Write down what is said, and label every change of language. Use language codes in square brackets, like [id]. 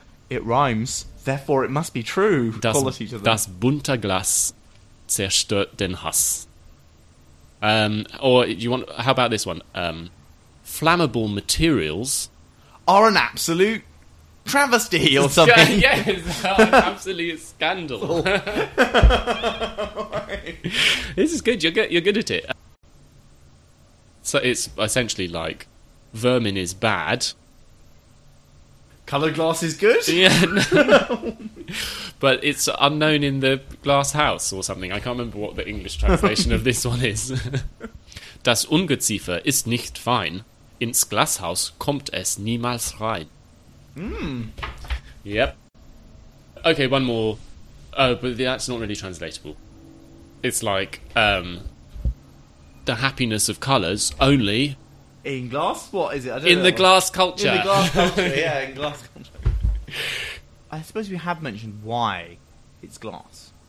[en] It rhymes, therefore it must be true. [de] Das, [en] quality to them. [de] Das bunte Glas zerstört den Hass. [en] Or you want? How about this one? Flammable materials are an absolute travesty or something. Yes, absolute scandal. This is good. You're good at it. So it's essentially like vermin is bad. Coloured glass is good? Yeah. No. But it's unknown in the glass house or something. I can't remember what the English translation of this one is. [de] Das Ungeziefer ist nicht fein. Ins Glashaus kommt es niemals rein. Mm. [en] Yep. Okay, one more. Oh, but that's not really translatable. It's like, the happiness of colours only... In glass? What is it? I don't know. In the glass culture. In the glass culture, yeah, in glass culture. I suppose we have mentioned why it's glass.